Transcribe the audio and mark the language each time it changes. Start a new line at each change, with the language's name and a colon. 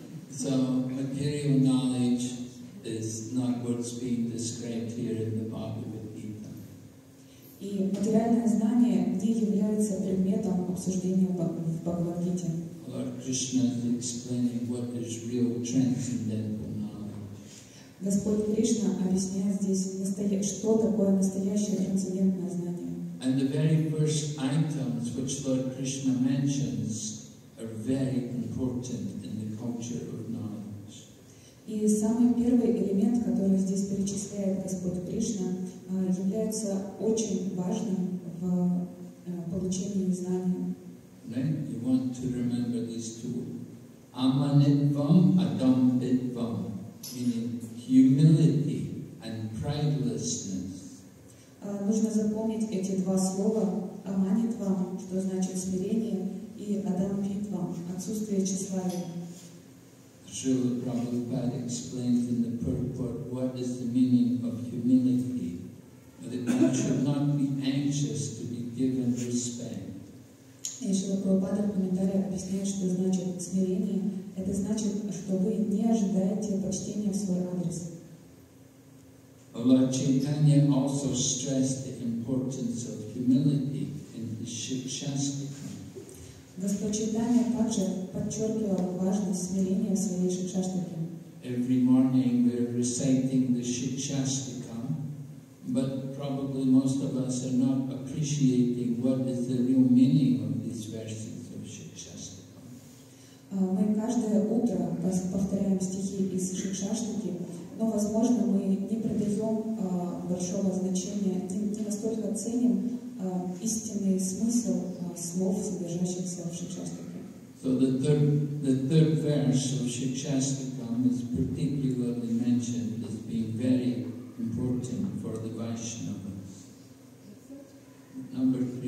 English: So material knowledge is not what's being described here in the Bhagavad Gita.
Russian: И материальное знание не является предметом обсуждения в Бхагавад Гите.
English: Lord Krishna is explaining what is real transcendental knowledge.
Russian: Господь Кришна объясняет здесь что такое настоящее трансцендентное знание.
English: And the very first items which Lord Krishna mentions are very important in the culture of knowledge.
Russian: И самый первый элемент, который здесь перечисляет Господь Кришна, является очень важным в получении знания.
English: Right? You want to remember these two. Amanitvam, adambitvam. Meaning humility and pridelessness.
Russian: Нужно запомнить эти два слова. Amanitvam, что значит смирение, и adambitvam, отсутствие тщеславия.
English: Srila Prabhupada explains in the purport what is the meaning of humility. That one should not be anxious to be given respect.
Russian: Шрила Прабхупада в комментариях объясняет, что значит смирение. Это значит, что вы не ожидаете почтения в свой адрес.
English: Lord Chaitanya also stressed the importance of humility in his Шикшастика.
Russian: Господь Чайтанья также подчеркивал важность смирения в своей Шикшастике.
English: Every morning we are reciting the Шикшастика, but probably most of us are not appreciating what is the real meaning of these verses of Шикшастика.
Russian: Мы каждое утро повторяем стихи из Шикшастики, но, возможно, мы не придаем большого значения, не настолько ценим истинный смысл слов, содержащихся в Шикшастике.
English: So the third verse of Шикшастика is particularly mentioned as being very important for the Vaishnavas. Number